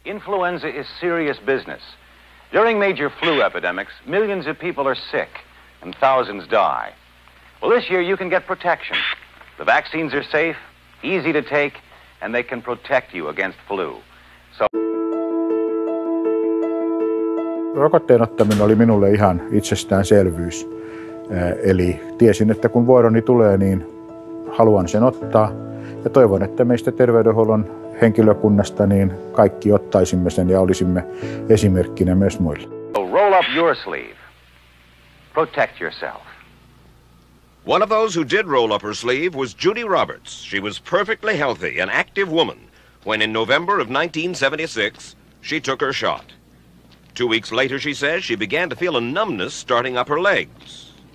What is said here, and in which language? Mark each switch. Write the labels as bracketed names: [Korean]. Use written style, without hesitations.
[English] Influenza is serious business. During major flu epidemics, millions of people are sick and thousands die. Well, this year you can get protection. The vaccines are safe, easy to take, and they can protect you against flu. So [Finnish] rokotteen ottaminen oli minulle ihan itsestäänselvyys. Eli tiesin, että kun vuoroni tulee, niin haluan sen ottaa. Ja toivon, että meistä terveydenhuollon henkilökunnasta niin kaikki ottaisimme sen ja olisimme esimerkkinä myös muille. [English] So roll up your sleeve. Protect yourself. One of those who did roll up her sleeve was Judy Roberts. She was perfectly healthy, an active woman, when in November of 1976, she took her shot. 2 weeks later, she says, she began to feel a numbness starting up her legs.